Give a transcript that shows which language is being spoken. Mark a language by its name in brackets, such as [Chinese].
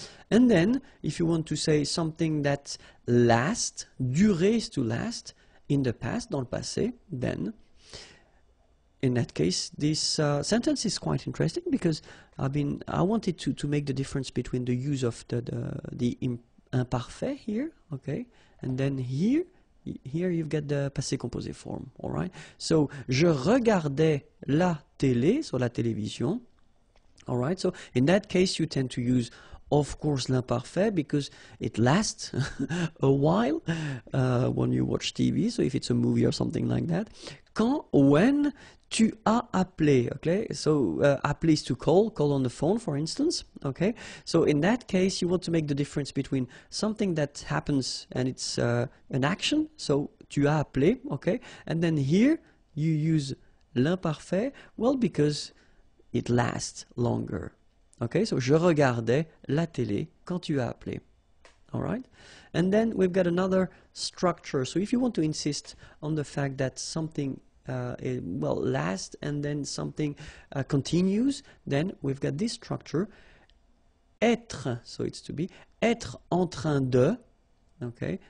[English] And then, if you want to say something that lasts, durée is to last, in the past, [French] dans le passé, [English] then, in that case, this sentence is quite interesting because I wanted to make the difference between the use of the imparfait here, okay, and then here you've got the passé composé form, all right. [French] So, je regardais la télé, sur la télévision. [English] All right, so in that case, you tend to use, of course, l'imparfait because it lasts a while when you watch TV. So if it's a movie or something like that, quand, when [French] tu as appelé, [English] okay? So appelé is to call on the phone, for instance, okay? So in that case, you want to make the difference between something that happens and it's an action. So [French] tu as appelé, [English] okay? And then here you use l'imparfait, well, because it lasts longer. Okay, so [French] je regardais la télé quand tu as appelé. [English] All right? And then we've got another structure. So if you want to insist on the fact that something lasts and then something continues, then we've got this structure. Être, so it's to be, [French] être en train de. [English] Okay?